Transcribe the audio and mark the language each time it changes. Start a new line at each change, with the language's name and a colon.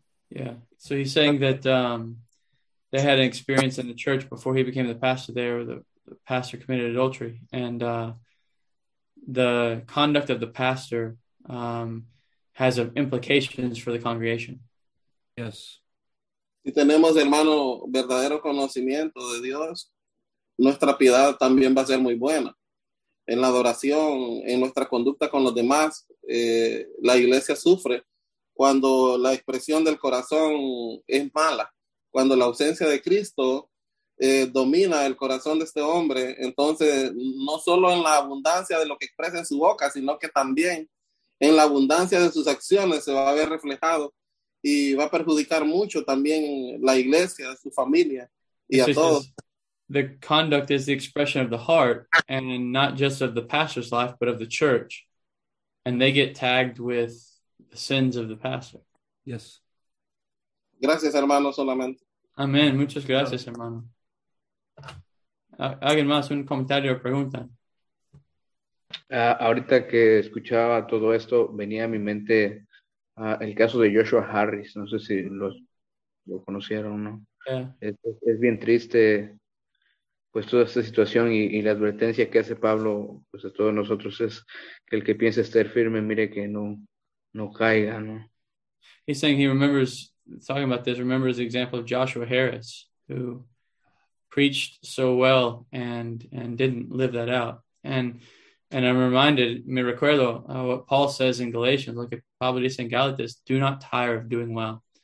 English: Yeah, so he's saying that they had an experience in the church before he became the pastor there, the pastor committed adultery, and the conduct of the pastor has implications for the congregation. Yes.
Spanish: Si tenemos, hermano, verdadero conocimiento de Dios, nuestra piedad también va a ser muy buena. En la adoración, en nuestra conducta con los demás, la iglesia sufre cuando la expresión del corazón es mala. Cuando la ausencia de Cristo domina el corazón de este hombre, entonces no solo en la abundancia de lo que expresa en su boca, sino que también en la abundancia de sus acciones se va a ver reflejado y va a perjudicar mucho también la iglesia, su familia y a todos.
English: The conduct is the expression of the heart and not just of the pastor's life, but of the church. And they get tagged with the sins of the pastor. Yes.
Spanish: Gracias, hermano, solamente. Amén. Muchas gracias, hermano. ¿Alguien más? ¿Un comentario o pregunta? Ahorita que escuchaba todo esto, venía a mi mente el caso de Joshua Harris. No sé si lo conocieron o no.
English: Yeah.
Spanish: Es bien triste pues toda esta situación y la advertencia que hace Pablo pues a todos nosotros es que el que piense estar firme, mire que no caiga, ¿no?
English: He's saying he remembers, talking about this, remembers the example of Joshua Harris, who preached so well and didn't live that out. And I'm reminded,
Spanish: me recuerdo
English: what Paul says in Galatians, look at
Spanish: Pablo dice
English: in Galatians, do not tire of doing well.